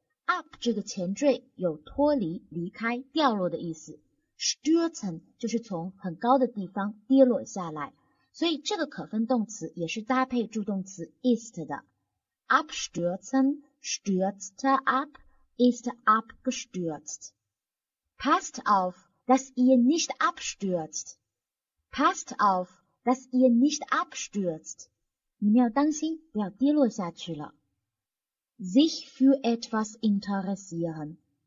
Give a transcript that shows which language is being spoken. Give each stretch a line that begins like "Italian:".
Chinese: Up 这个前缀有脱离、离开、掉落的意思。 Stürzen 就是从很高的地方跌落下来。所以这个可分动词也是搭配助动词 ist 的。
German: Abstürzen stürzt ab, ist abgestürzt. Passt auf, dass ihr nicht abstürzt. Passt auf, dass ihr nicht abstürzt.
Chinese: 你们要当心，不要跌落下去了。
German: Sich für etwas interessieren.